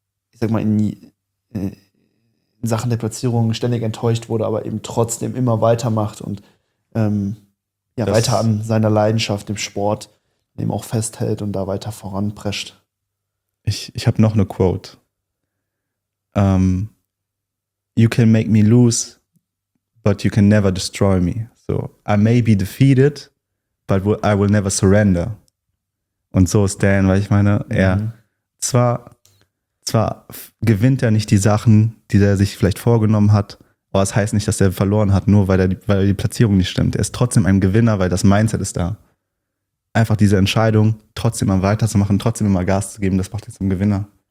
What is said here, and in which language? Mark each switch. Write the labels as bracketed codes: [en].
[de] Ich sag mal, in Sachen der Platzierung ständig enttäuscht wurde, aber eben trotzdem immer weitermacht und weiter an seiner Leidenschaft, dem Sport, eben auch festhält und da weiter voranprescht. Ich habe noch eine Quote. [en] You can make me lose, but you can never destroy me. So, I may be defeated, but I will never surrender. [de] Und so ist Dan, weil ich meine, er zwar gewinnt er nicht die Sachen, die er sich vielleicht vorgenommen hat, aber es das heißt nicht, dass er verloren hat, nur weil die Platzierung nicht stimmt. Er ist trotzdem ein Gewinner, weil das Mindset ist da. Einfach diese Entscheidung, trotzdem mal weiterzumachen, trotzdem immer Gas zu geben, das macht ihn zum Gewinner.